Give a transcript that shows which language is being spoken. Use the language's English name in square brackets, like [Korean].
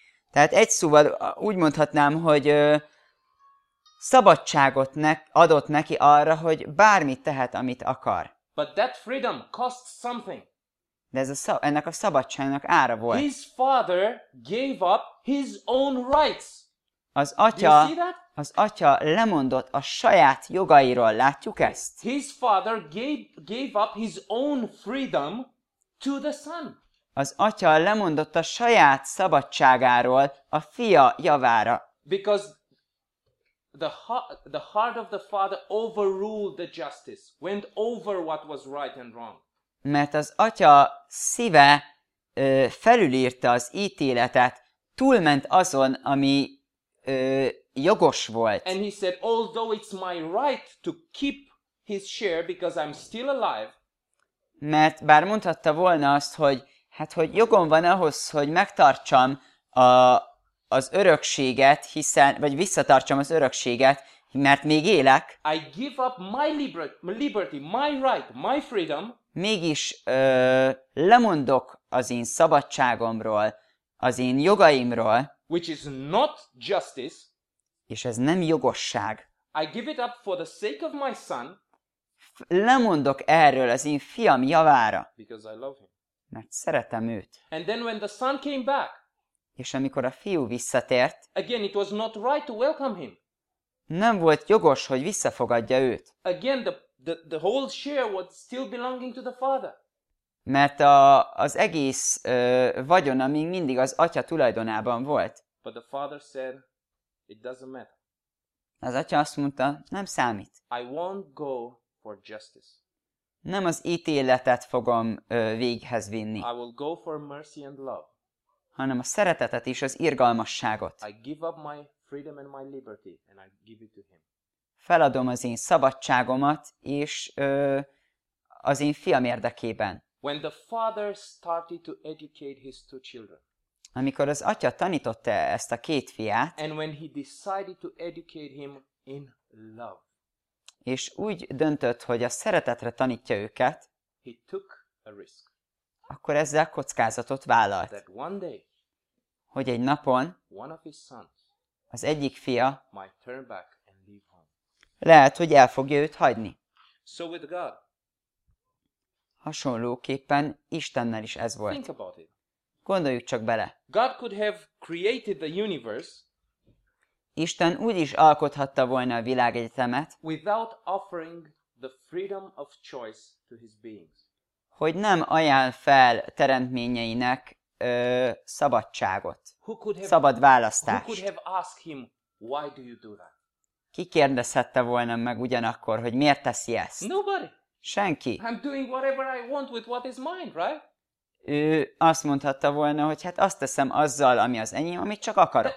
[Hungarian] Tehát egy szóval úgy mondhatnám, hogy szabadságot adott neki arra, hogy bármit tehet, amit akar. [English] But that freedom cost something. [Hungarian] De ennek a szabadságnak ára volt. [English] His father gave up his own rights. [Hungarian] Az atya lemondott a saját jogairól, látjuk ezt? [English] His father gave up his own freedom to the son. [Hungarian] Az atya lemondott a saját szabadságáról a fia javára. [English] Because the heart of the father overruled the justice, went over what was right and wrong. [Hungarian] Mert az atya szíve felülírta az ítéletet, túlment azon, ami jogos volt. [English] And he said, although it's my right to keep his share because I'm still alive. [Hungarian] Mert bár mondhatta volna azt, hogy jogom van ahhoz, hogy megtartsam az örökséget, hiszen vagy visszatartsam az örökséget, mert még élek. [English] I give up my liberty, my right, my freedom. [Hungarian] Mégis lemondok az én szabadságomról, az én jogaimról. [English] Which is not justice. [Hungarian] És ez nem jogosság. [English] I give it up for the sake of my son. [Hungarian] Lemondok erről az én fiam javára. [English] Because I love him. [Hungarian] Mert szeretem őt. [English] And then when the son came back, [Hungarian] és amikor a fiú visszatért, [English] again it was not right to welcome him. [Hungarian] Nem volt jogos, hogy visszafogadja őt. [English] Again the whole share was still belonging to the father. [Hungarian] Mert az egész vagyona még mindig az atya tulajdonában volt. [English] But the father said, it doesn't matter. [Hungarian] Az atya azt mondta, nem számít. [English] I won't go for justice. [Hungarian] Nem az ítéletet fogom véghez vinni. [English] I will go for mercy and love. [Hungarian] Hanem a szeretetet és az irgalmasságot. [English] I give up my freedom and my liberty, and I give it to him. [Hungarian] feladom az én szabadságomat, és az én fiam érdekében. [English] When the father started to educate his two children. [Hungarian] Amikor az atya tanította ezt a két fiát, [English] and when he decided to educate him in love. [Hungarian] És úgy döntött, hogy a szeretetre tanítja őket, [English] he took a risk. [Hungarian] Akkor ezzel kockázatot vállalt. [English] That one day, [Hungarian] hogy egy napon [English] one of his sons [Hungarian] az egyik fia [English] might turn back and leave home. [Hungarian] Lehet, hogy el fogja őt hagyni. [English] So with God. [Hungarian] Hasonlóképpen Istennel is ez volt. [English] Think about it. [Hungarian] Gondoljuk csak bele. [English] God could have created the universe. [Hungarian] Isten úgy is alkothatta volna a világegyetemet, [English] without offering the freedom of choice to his beings. [Hungarian] Hogy nem ajánl fel teremtményeinek szabadságot, szabad választást. [English] Who could have asked him, why do you do that? [Hungarian] Ki kérdezhette volna meg ugyanakkor, hogy miért teszi ezt? [English] Nobody. [Hungarian] Senki. [English] I'm doing whatever I want with what is mine, right? [Hungarian] Ő azt mondhatta volna, hogy hát azt teszem azzal, ami az enyém, amit csak akarok.